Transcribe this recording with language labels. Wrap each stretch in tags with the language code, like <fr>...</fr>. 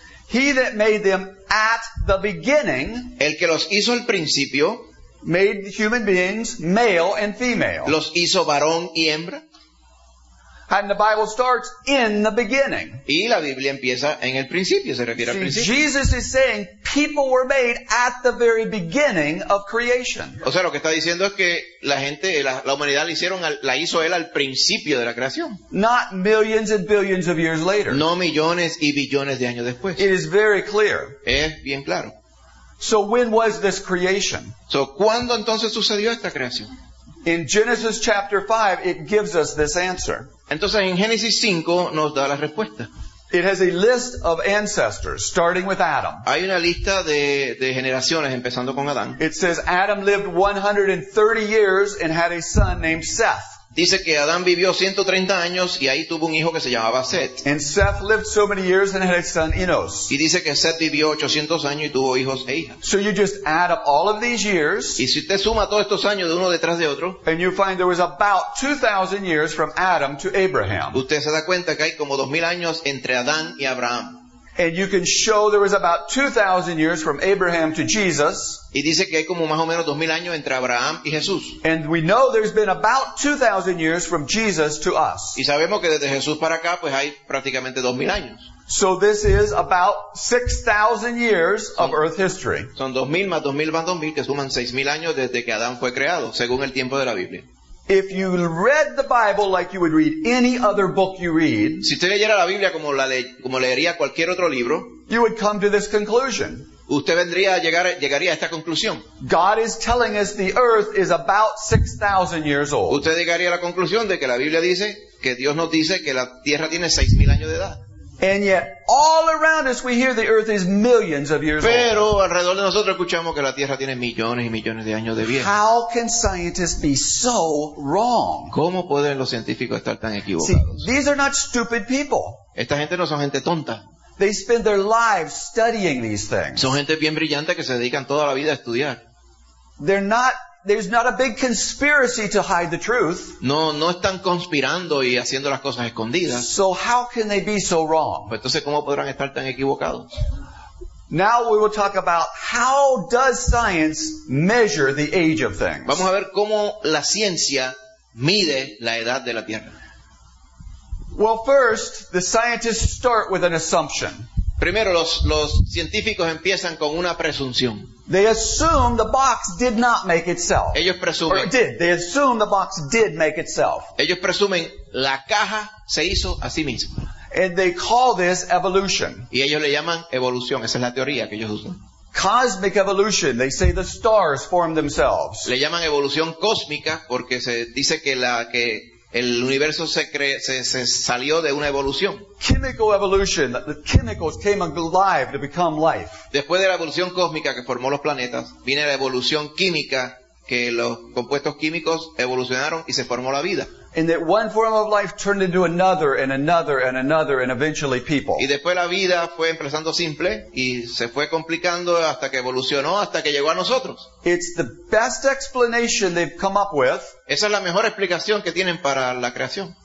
<en>He that made them at the beginning,</en> <es>el que los hizo al principio,</es> <en>made human beings male and female.</en> <es>Los hizo varón y hembra.</es> <en>And the Bible starts in the beginning.</en> <es>Y la Biblia empieza en el principio, se refiere</es> <en>See,</en> <es>al principio.</es> <en>Jesus is saying people were made at the very beginning of creation.</en> <es>O sea, lo que está diciendo es que la humanidad la hizo él al principio de la creación.</es> <en>Not millions and billions of years later.</en> <es>No millones y billones de años después.</es> <en>It is very clear.</en> <es>Es bien claro.</es> <en>So when was this creation?</en> <es>So, ¿cuándo entonces sucedió esta creación?</es> <en>In Genesis chapter 5, it gives us this answer.</en> <es>Entonces, en Génesis 5, nos da la respuesta.</es> <en>It has a list of ancestors, starting with Adam.</en> <es>Hay una lista de generaciones, empezando con Adán.</es> <en>It says, Adam lived 130 years and had a son named Seth.</en> <es>Dice que Adán vivió 130 años y ahí tuvo un hijo que se llamaba Seth.</es> <en>And Seth lived so many years and had a son Enos.</en> <es>Y dice que Seth vivió 800 años y tuvo hijos e hijas.</es> <en>So you just add up all of these years.</en> <es>Y si usted suma todos estos años de uno detrás de otro.</es> <en>And you find there was about 2000 years from Adam to Abraham.</en> <es>Usted se da cuenta que hay como 2000 años entre Adán y Abraham.</es> <en>And you can show there was about 2000 years from Abraham to Jesus.</en> <es>Y dice que hay como más o menos 2000 años entre Abraham y Jesús.</es> <en>And we know there's been about 2000 years from Jesus to us.</en> <es>Y sabemos que desde Jesús para acá pues hay prácticamente 2000 años.</es> <en>So this is about 6000 years of earth history.</en> <es>Son 2000 más 2000 más 2000 que suman 6000 años desde que Adán fue creado, según el tiempo de la Biblia.</es> <en>If you read the Bible like you would read any other book you read,</en> <es>si usted leyera la Biblia como la como leería cualquier otro libro,</es> <en>you would come to this conclusion.</en> <es>Usted vendría a llegaría a esta conclusión.</es> <en>God is telling us the earth is about 6000 years old.</en> <es>Usted llegaría a la conclusión de que la Biblia dice que Dios nos dice que la Tierra tiene 6000 años de edad.</es> <en>And yet all around us we hear the earth is millions of years</en> <es>Pero,</es> <en>old.</en> <es>Pero alrededor de nosotros escuchamos que la Tierra tiene millones y millones de años de vida.</es> <en>How can scientists be so wrong?</en> <es>¿Cómo pueden los científicos estar tan equivocados?</es> <en>See, these are not stupid people.</en> <es>Esta gente no son gente tonta.</es> <en>They spend their lives studying these things.</en> <es>Son gente bien brillante que se dedican toda la vida a estudiar.</es> <en>They're not There's not a big conspiracy to hide the truth.</en> <es>No están conspirando y haciendo las cosas escondidas.</es> <en>So how can they be so wrong?</en> <es>Entonces, ¿cómo podrán estar tan equivocados?</es> <en>Now we will talk about how does science measure the age of things.</en> <es>Vamos a ver cómo la ciencia mide la edad de la Tierra.</es> <en>Well, first, the scientists start with an assumption.</en> <es>Primero, los científicos empiezan con una presunción.</es> <en>They assume the box did not make itself.</en> <es>Ellos presumen.</es> <en>Or did. They assume the box did make itself.</en> <es>Ellos presumen la caja se hizo a sí misma.</es> <en>And they call this evolution.</en> <es>Y ellos le llaman evolución. Esa es la teoría que ellos usan.</es> <en>Cosmic evolution. They say the stars form themselves.</en> <es>Le llaman evolución cósmica porque se dice que el universo se salió de una evolución.</es> <en>Chemical evolution, the chemicals came alive to become life.</en> <es>Después de la evolución cósmica que formó los planetas, viene la evolución química que los compuestos químicos evolucionaron y se formó la vida.</es> <en>And that one form of life turned into another and another and another and eventually people.</en> <es>Y después la vida fue empezando simple y se fue complicando hasta que evolucionó hasta que llegó a nosotros.</es> <en>It's the best explanation they've come up with.</en> <es>Esa es la mejor explicación que tienen para la creación.</es>